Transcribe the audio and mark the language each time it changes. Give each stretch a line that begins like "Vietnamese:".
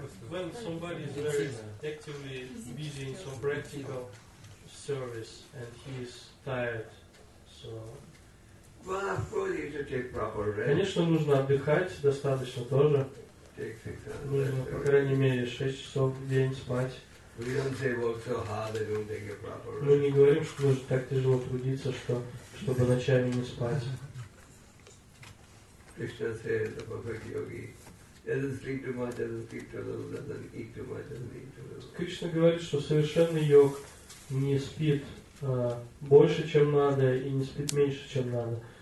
English: When somebody is very actively busy in some practical service and he is tired, so. Well, of course, you should take proper rest.
Russian: Конечно, нужно отдыхать достаточно тоже. Нужно по крайней мере 6 часов в день спать.
English: We don't say work so hard they don't take a proper rest.
Russian: Мы не говорим, что нужно так тяжело трудиться, чтобы ночами не спать.
English: Krishna says the perfect yogi doesn't sleep too much, doesn't sleep too little, doesn't eat too much, doesn't eat too little.
Russian: Krishna говорит, что совершенный йог не спит больше, чем надо, и не спит меньше, чем надо.